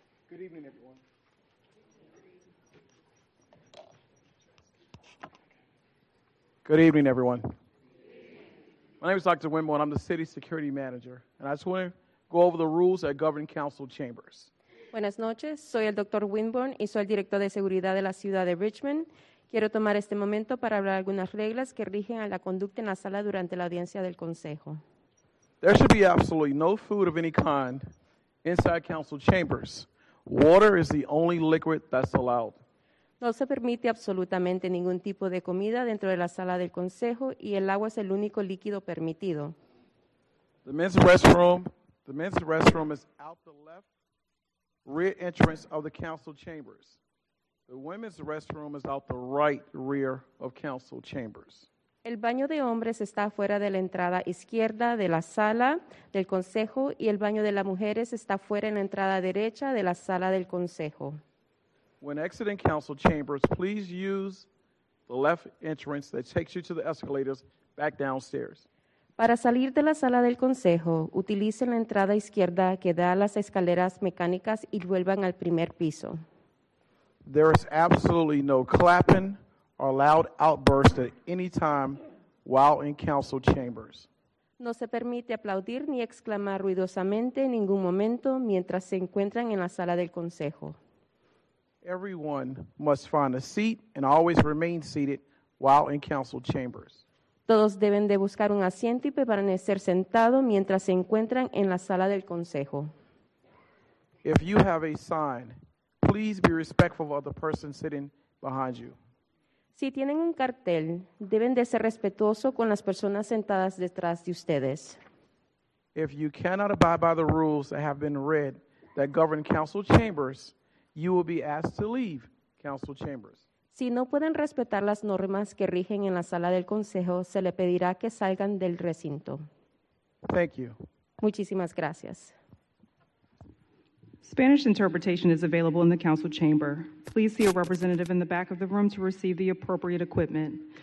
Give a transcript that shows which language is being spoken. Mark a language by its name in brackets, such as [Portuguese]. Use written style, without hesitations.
[English] Good evening, everyone. Good evening, everyone. My name is Dr. Wimborne. I'm the city security manager, and I just want to go over the rules that govern council chambers. [Spanish] Buenas noches. Soy el Dr. Wimborne y soy el director de seguridad de la ciudad de Richmond. Quiero tomar este momento para hablar algunas reglas que rigen a la conducta en la sala durante la audiencia del consejo. [English] There should be absolutely no food of any kind inside council chambers. Water is the only liquid that's allowed. [Spanish] No se permite absolutamente ningún tipo de comida dentro de la sala del consejo y el agua es el único líquido permitido. [English] The men's restroom is out the left rear entrance of the council chambers. The women's restroom is out the right rear of council chambers. [Spanish] El baño de hombres está fuera de la entrada izquierda de la sala del consejo y el baño de las mujeres está fuera en la entrada derecha de la sala del consejo. [English] When exiting council chambers, please use the left entrance that takes you to the escalators back downstairs. [Spanish] Para salir de la sala del consejo, utilicen la entrada izquierda que da a las escaleras mecánicas y vuelvan al primer piso. [English] There is absolutely no clapping or loud outburst at any time while in council chambers. [Spanish] No se permite aplaudir ni exclamar ruidosamente en ningún momento mientras se encuentran en la sala del consejo. [English] Everyone must find a seat and always remain seated while in council chambers. [Spanish] Todos deben de buscar un asiento y permanecer sentado mientras se encuentran en la sala del consejo. [English] If you have a sign, please be respectful of the person sitting behind you. [Spanish] Si tienen un cartel, deben de ser respetuoso con las personas sentadas detrás de ustedes. [English] If you cannot abide by the rules that have been read that govern council chambers, you will be asked to leave council chambers. [Spanish] Si no pueden respetar las normas que rigen en la sala del consejo, se le pedirá que salgan del recinto. [English] Thank you. [Spanish] Muchísimas gracias. [English] Spanish interpretation is available in the council chamber. Please see a representative in the back of the room to receive the appropriate equipment.